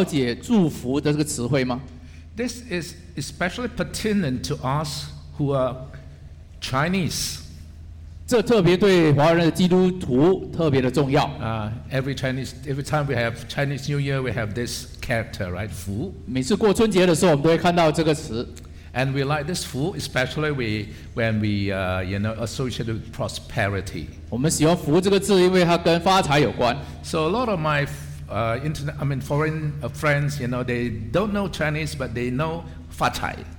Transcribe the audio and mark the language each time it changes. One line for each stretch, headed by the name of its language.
Chinese: 但是从圣经的角度，我们真的了解祝福的这个词汇吗？
English: This is especially pertinent to us who are Chinese.
Chinese: 这特别对华人的基督徒特别的重要.
English: Every time we have Chinese New Year, we have this character, right?
Chinese: 福. 每次过春节的时候，我们都会看到这个词.
English: And we like this food, especially when we associate with prosperity.
Chinese: 我们喜欢福这个字，因为它跟发财有关.
English: So a lot of my foreign friends, you know, they don't know Chinese, but they know 发财.